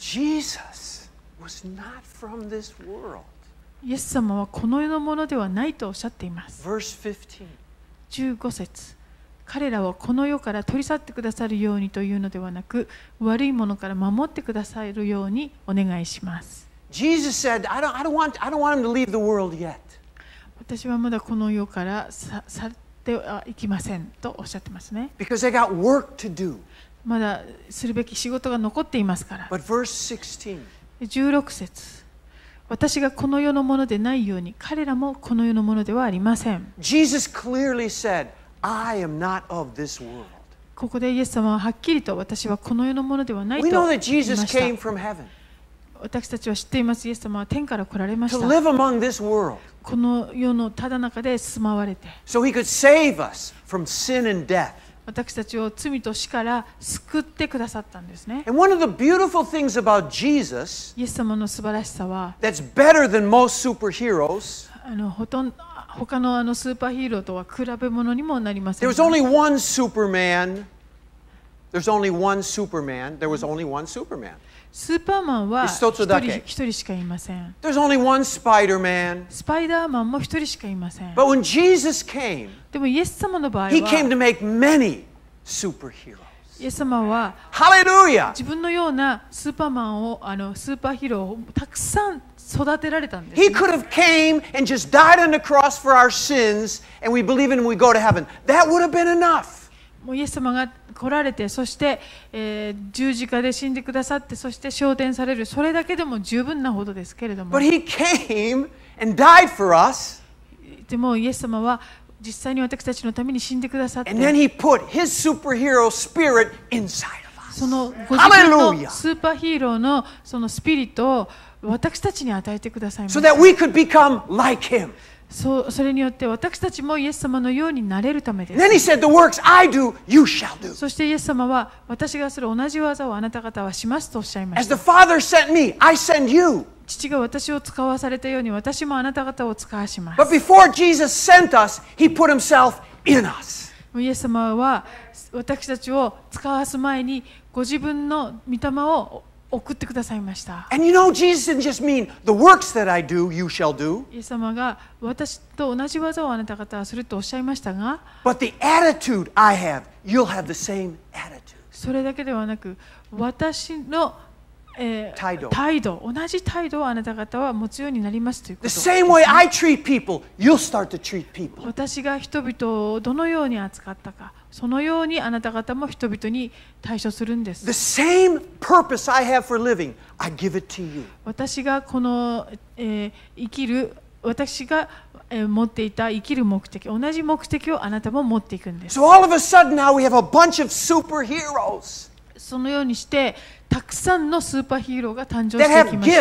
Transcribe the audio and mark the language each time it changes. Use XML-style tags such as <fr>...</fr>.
<en>Jesus was not from this world.</en> <ja>イエス様はこの世のものではないとおっしゃっています。</ja> <en>Verse 15.</en> <ja>15節。彼らはこの世から取り去ってくださるようにというのではなく、悪いものから守ってくださるようにお願いします。</ja> <en>Jesus said, I don't want him to leave the world yet.</en> <ja>私はまだこの世から去ってはいきませんとおっしゃってますね。</ja> <en>Because they got work to do.</en> <ja>まだするべき仕事が残っていますから。</ja> <en>But verse 16.</en> <ja>16節。私がこの世のものでないように、彼らもこの世のものではありません。</ja> <en>Jesus clearly said,I am not of this world.</en> <ja>ここでイエス様ははっきりと私はこの世のものではないと言いました。</ja> <en>We know that Jesus came from heaven.</en> <ja>私たちは知っています。イエス様は天から来られました。</ja> <en>To live among this world.</en> <ja>この世のただ中で住まわれて。</ja> <en>So he could save us from sin and death.</en> <ja>私たちを罪と死から救ってくださったんですね。</ja> <en>And one of the beautiful things about Jesus.</en> <ja>イエス様の素晴らしさは。</ja> <en>That's better than most superheroes.</en> <ja>あのほとんど他 の, あのスーパーヒーローとは比べ物にもなりません。</ja> <en>There was only one Superman. There's only one Superman. There was only one Superman.</en> <ja>スーパーマンは一人しかいません。</ja> <en>There's only one Spider-Man.</en> <ja>スパイダーマンも一人しかいません。</ja> <en>But when Jesus came,</en> <ja>でもイエス様の場合は、</ja> <en>He came to make many superheroes.</en> <ja>イエス様は、</ja> <en>Hallelujah!</en> <ja>自分のようなスーパーマンをあのスーパーヒーローをたくさん育てられたんです、ね、</ja> <en>He could have came and just died on the cross for our sins and we believe in him and we go to heaven. That would have been enough.</en> <ja>もうイエス様が来られてそして、十字架で死んでくださってそして昇天されるそれだけでも十分なほどですけれども</ja> <en>But he came and died for us.</en> <ja>でもイエス様は実際に私たちのために死んでくださって</ja> <en>And then he put his superhero spirit inside of us.</en> <ja>そのご自分のスーパーヒーローのそのスピリットを私たちに与えてくださいました。それによって私たちもイエス様のようになれるためです。そしてイエス様は私がする同じ技をあなた方はしますとおっしゃいました。父が私を使わされたように私もあなた方を使わします。</ja> <en>But before Jesus sent us, he put himself in us.</en> <ja>イエス様は私たちを使わす前にご自分の御霊を送ってくださいました。</ja> <en>And you know, Jesus didn't just mean the works that I do, you shall do.</en> <ja>イエス様が私と同じ技をあなた方はするとおっしゃいましたが、 But the attitude I have, you'll have the same attitude. それだけではなく、私の、態度、同じ態度をあなた方は持つようになりますということ。</ja> <en>The same way I treat people, you'll start to treat people.</en> <ja>私が人々をどのように扱ったか。そのようにあなた方も人々に対処するんです。</ja> <en>The same purpose I have for living, I give it to you.</en> <ja>私がこの、生きる私が、持っていた生きる目的、同じ目的をあなたも持っていくんです。</ja> <en>So all of a sudden now we have a bunch of superheroes.</en> <ja>そのようにしてたくさんのスーパーヒーローが誕生してきました。</ja>